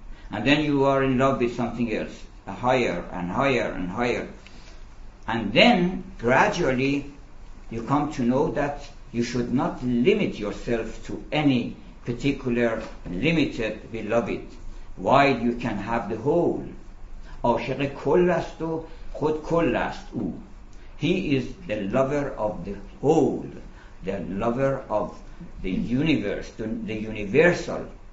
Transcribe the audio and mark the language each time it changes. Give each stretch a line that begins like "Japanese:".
English: And then you are in love with something else, higher and higher and higher. And then, gradually, you come to know that you should not limit yourself to any particular limited beloved. Why you can have the whole.
Persian: عاشق کل است و خود کل است او.
English: He is the lover of the whole, the lover of the universe, the universal.